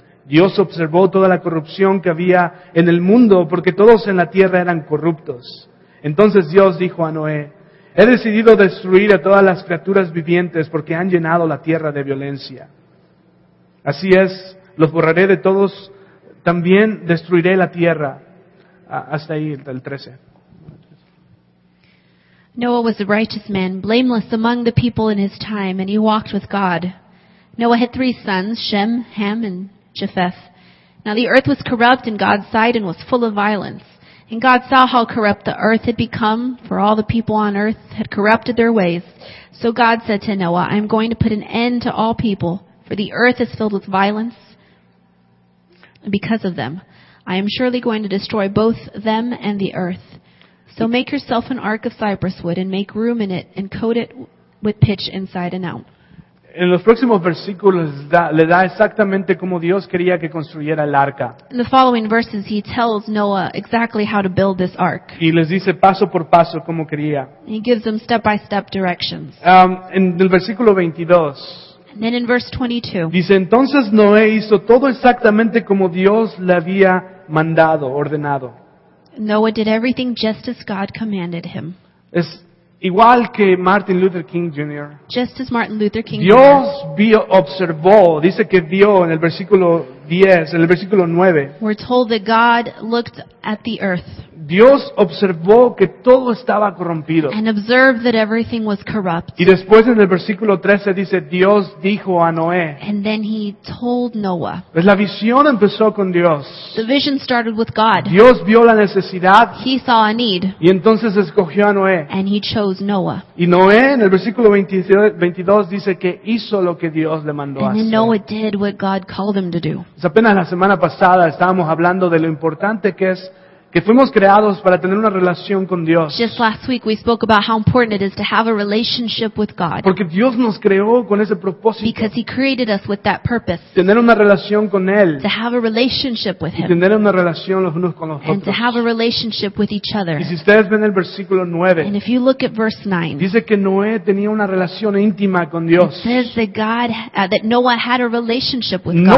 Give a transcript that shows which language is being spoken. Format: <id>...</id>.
<es>Dios observó toda la corrupción que había en el mundo, porque todos en la tierra eran corruptos. Entonces Dios dijo a Noé, he decidido destruir a todas las criaturas vivientes porque han llenado la tierra de violencia. Así es, los borraré de todos, también destruiré la tierra. Hasta ahí, el 13.</es> <en>Noah was a righteous man, blameless among the people in his time, and he walked with God. Noah had three sons, Shem, Ham, and Japheth. Now the earth was corrupt in God's sight and was full of violence. And God saw how corrupt the earth had become, for all the people on earth had corrupted their ways. So God said to Noah, I am going to put an end to all people, for the earth is filled with violence because of them. I am surely going to destroy both them and the earth. So make yourself an ark of cypress wood and make room in it and coat it with pitch inside and out.</en> <es>En los próximos versículos le da exactamente como Dios quería que construyera el arca.</es> <en>In the following verses he tells Noah exactly how to build this ark.</en> <es>Y les dice paso por paso como quería.</es> <en>He gives them step by step directions.</en> <es>En el versículo 22.</es> <en>And then in verse 22,</en> <es>dice, entonces Noé hizo todo exactamente como Dios le había mandado, ordenado.</es> <en>Noah did everything just as God commanded him.</en> <es>Es igual que Martin Luther King Jr.</es> <en>Just as Martin Luther King</en> <es>Dios</es> <en>Jr.</en> <es>Dios observó, dice que vio en el versículo 10, en el versículo 9.</es> <en>We're told that God looked at the earth.</en> <es>Dios observó que todo estaba corrompido.</es> <en>And observed that everything was corrupt.</en> <es>Y después en el versículo 13 dice, Dios dijo a Noé.</es> <en>And then he told Noah.</en> <es>Pues la visión empezó con Dios.</es> <en>The vision started with God.</en> <es>Dios vio la necesidad.</es> <en>He saw a need.</en> <es>Y entonces escogió a Noé.</es> <en>And he chose Noah.</en> <es>Y Noé en el versículo 22 dice que hizo lo que Dios le mandó</es> <en>and</en> <es>a hacer.</es> <en>And Noah did what God called him to do.</en> <es>Pues apenas la semana pasada estábamos hablando de lo importante que es que fuimos creados para tener una relación con Dios.</es> <en>Just last week we spoke about how important it is to have a relationship with God.</en> <es>Porque Dios nos creó con ese propósito.</es> <en>Because he created us with that purpose.</en> <es>Tener una relación con Él.</es> <en>To have a relationship with him.</en> <es>Y tener una relación los unos con los otros.</es> <en>And to have a relationship with each other.</en> <es>Y si ustedes ven el versículo 9.</es> <en>And if you look at verse 9.</en> <es>Dice que Noé tenía una relación íntima con Dios.</es> <en>It says that God, that Noah had a relationship with God.</en>